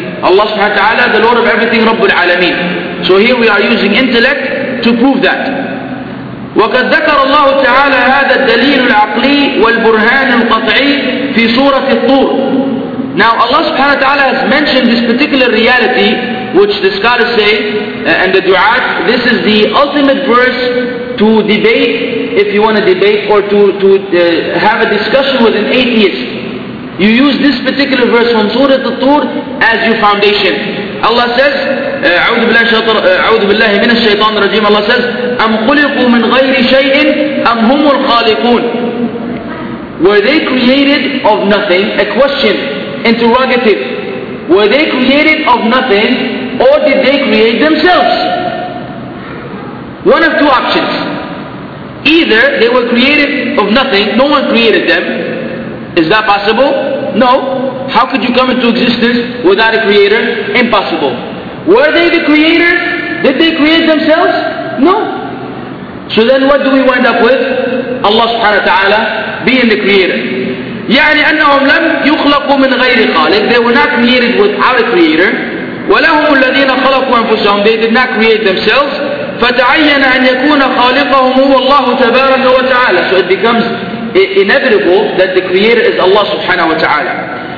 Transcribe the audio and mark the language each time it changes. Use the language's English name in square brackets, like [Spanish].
[English] Allah subhanahu wa ta'ala, the Lord of everything, [Arabic] رَبُّ الْعَالَمِينَ. [English] So here we are using intellect to prove that. [Arabic] وقد ذكر الله تعالى هذا الدليل العقلي والبرهان القطعي في سورة الطور. [English] Now Allah subhanahu wa ta'ala has mentioned this particular reality which the scholars say and the du'at, this is the ultimate verse to debate if you want to debate or to have a discussion with an atheist. You use this particular verse from Surah At-Tur as your foundation. Allah says, [Arabic] أعوذ بالله من الشيطان الرجيم. [English] Allah says, [Arabic] أم خلقوا من غير شيء أم هم الخالقون. [English] Were they created of nothing? A question, interrogative. Were they created of nothing or did they create themselves? One of two options. Either they were created of nothing, no one created them. Is that possible? No. How could you come into existence without a creator? Impossible. Were they the creator? Did they create themselves? No. So then what do we wind up with? Allah subhanahu wa ta'ala being the creator. [Arabic] يعني أنهم لم يخلقوا من غير خالق. [English] They were not created without a creator. [Arabic] ولهم الذين خلقوا أنفسهم. [English] They did not create themselves. [Arabic] فتعين أن يكون خالقهم هو الله تبارك وتعالى. [English] So it becomes inevitable that the creator is Allah subhanahu wa ta'ala.